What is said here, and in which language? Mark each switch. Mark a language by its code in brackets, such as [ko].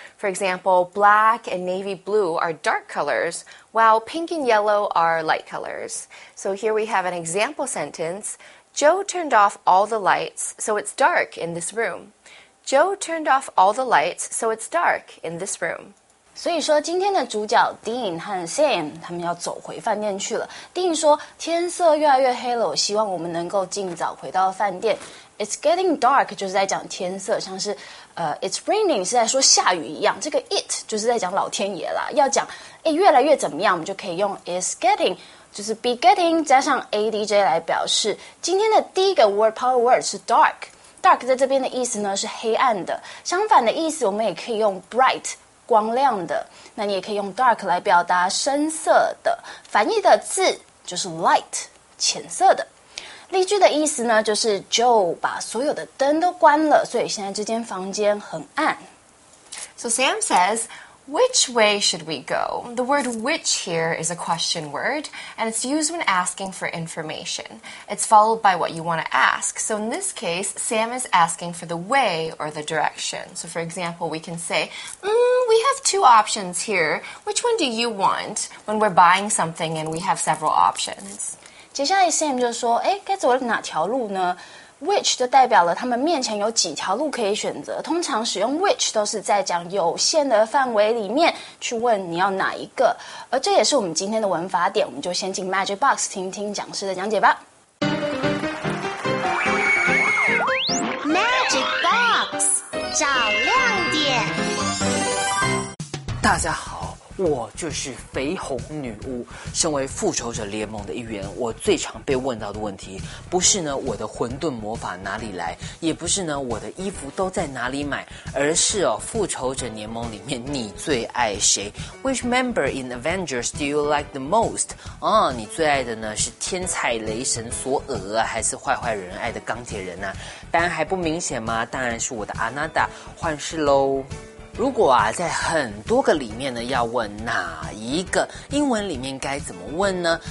[en] For example, black and navy blue are dark colors, while pink and yellow are light colors. So here we have an example sentence. Joe turned off all the lights, so it's dark in this room. Joe turned off all the lights, so it's dark in this room. [zh] 所以说今天的主角 Dean 和 Sam 他们要走回饭店去了。 Dean 说天色越来越黑了，我希望我们能够尽早回到饭店。 [en] It's getting dark [zh] 就是在讲天色，像是 [en] It's raining [zh] 是在说下雨一样，这个 it 就是在讲老天爷啦。要讲越来越怎么样，我们就可以用 [en] It's getting [zh] 就是 [en] be getting [zh] 加上 ADJ 来表示。今天的第一个 word power word 是 dark。 Dark 在这边的意思呢是黑暗的，相反的意思我们也可以用 bright 光亮的，那你也可以用 dark 来表达深色的，反义的字就是 light 浅色的。例句的意思呢就是 Joe 把所有的灯都关了，所以现在这间房间很暗。 [en] So Sam says, which way should we go? The word which here is a question word, and it's used when asking for information. It's followed by what you want to ask. So in this case, Sam is asking for the way or the direction. So for example, we can say, we have two options here. Which one do you want when we're buying something and we have several options? [zh] 接下来 Sam 就说，诶，该走哪条路呢？ Which 就代表了他们面前有几条路可以选择，通常使用 which 都是在讲有限的范围里面去问你要哪一个，而这也是我们今天的文法点，我们就先进 Magic Box 听听讲师的讲解吧。 Magic Box 找亮点。大家好，我就是绯红女巫，身为复仇者联盟的一员，我最常被问到的问题不是呢我的混沌魔法哪里来，也不是呢我的衣服都在哪里买，而是哦复仇者联盟里面你最爱谁？ [en] Which member in Avengers do you like the most? [zh] 哦，你最爱的呢是天才雷神索尔，还是坏坏人爱的钢铁人呢？答案还不明显吗？当然是我的阿纳达幻视咯。如果啊，在很多个里面呢，要问哪一个，英文里面该怎么问呢？